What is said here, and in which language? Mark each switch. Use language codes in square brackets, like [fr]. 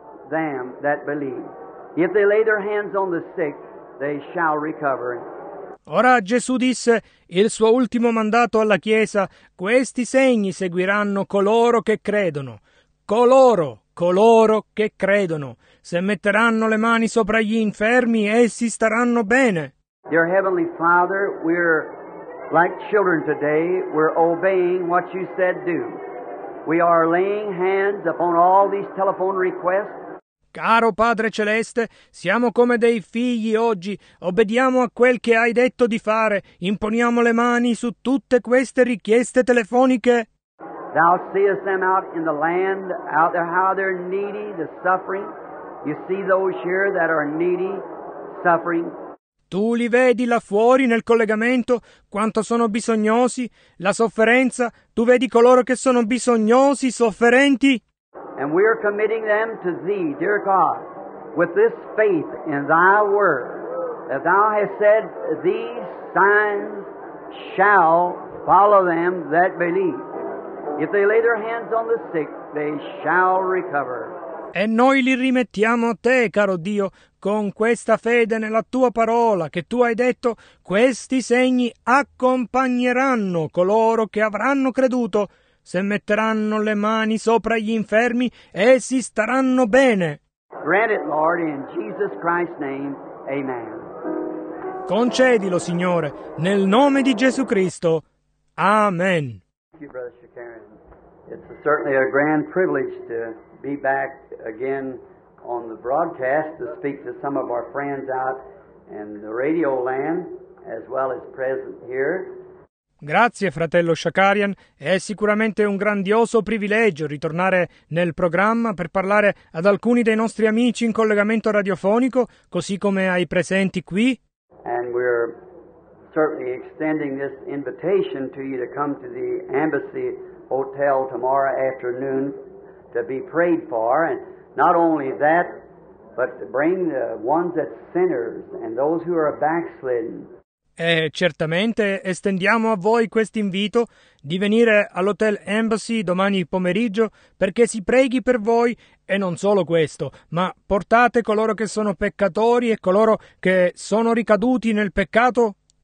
[en] Them that believe. If they lay their hands on the sick, they shall recover. [it] Ora Gesù disse, il suo ultimo mandato alla Chiesa, questi segni seguiranno coloro che credono. Coloro che credono. Se metteranno le mani sopra gli infermi, essi staranno bene. [en] Dear Heavenly Father, we're like children today, we're obeying what you said do. We are laying hands upon all these telephone requests. [it] Caro Padre Celeste, siamo come dei figli oggi, obbediamo a quel che hai detto di fare, imponiamo le mani su tutte queste richieste telefoniche. [en] Thou seest them out in the land, out there how they're needy, the suffering. You see those here that are needy, suffering. [it] Tu li vedi là fuori nel collegamento, quanto sono bisognosi, la sofferenza, tu vedi coloro che sono bisognosi, sofferenti. [en] And we are committing them to Thee, dear God, with this faith in Thy Word, that Thou hast said, these signs shall follow them that believe. If they lay their hands on the sick, they shall recover. [it] E noi li rimettiamo a Te, caro Dio, con questa fede nella Tua parola, che Tu hai detto, questi segni accompagneranno coloro che avranno creduto. Se metteranno le mani sopra gli infermi, essi staranno bene. [en] Grant it, Lord, in Jesus Christ's name, amen. [it] Concedilo, Signore, nel nome di Gesù Cristo. Amen. [en] Thank you, Brother Shakarian. It's certainly a grand privilege to be back again on the broadcast to speak to some of our friends out in the radio land, as well as present here. [it] Grazie, fratello Shakarian. È sicuramente un grandioso privilegio ritornare nel programma per parlare ad alcuni dei nostri amici in collegamento radiofonico, così come ai presenti qui. [en] And we're certainly extending this invitation to you to come to the Embassy Hotel tomorrow afternoon to be prayed for. And not only that, but to bring the ones that sinners and those who are backslidden. [it] E certamente estendiamo a voi questo invito di venire all'Hotel Embassy domani pomeriggio perché si preghi per voi e non solo questo, ma portate coloro che sono peccatori e coloro che sono ricaduti nel peccato.